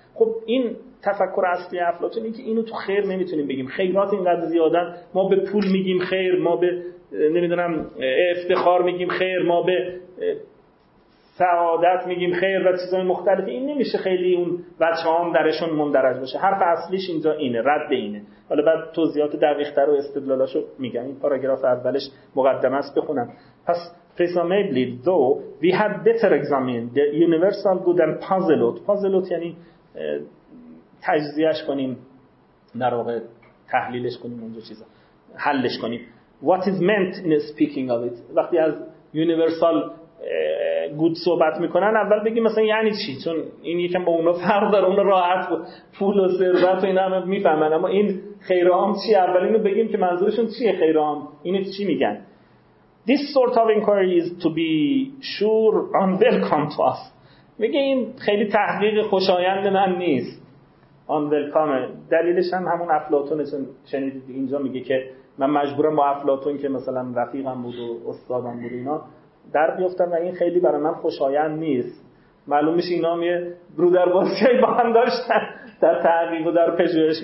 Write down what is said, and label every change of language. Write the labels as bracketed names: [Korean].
[Persian] خب این تفکر اصلی افلاطون اینه که اینو تو خیر نمیتونیم بگیم، خیرات اینقدر زیادن، ما به پول میگیم خیر، ما به نمیدونم افتخار میگیم خیر، ما به سعادت میگیم خیر و چیزهای مختلف، این نمیشه خیلی اون وجهام درشون مندرج بشه. حرف اصلیش اینجا اینه، رد اینه. حالا بعد توضیحات دقیق‌تر و استدلالاشو میگم، این پاراگراف اولش مقدمه است بخونم. پس [English] presumably though we had better examined the universal good and puzzle out. [Persian] puzzle out یعنی تجزیهش کنیم، در واقع تحلیلش کنیم، اونجا چیزا حلش کنیم. [English] what is meant in speaking of it. [Persian] وقتی از universal گود صحبت میکنن، اول بگیم مثلا یعنی چی، چون این یکم با اونا فرق داره، اونا راحت بود پول و ثروت و اینا همه میفهمن، اما این خیر عام چی، اول اینو بگیم که منظورشون چیه خیر عام، اینو چی میگن. [English] This sort of inquiry is to be sure unwelcome to us. [Persian] میگه این خیلی تحقیق خوشایند من نیست، unwelcome. دلیلش هم همون افلاطون، چون شنیدید اینجا میگه که من مجبورم با افلاطون که مثلا رفیقم بود و استادم بود اینا در بیافتن و این خیلی برای من خوشایند نیست. معلوم میشه اینا هم یه رودربازی با هم داشتن در تحقیق و در پژوهش.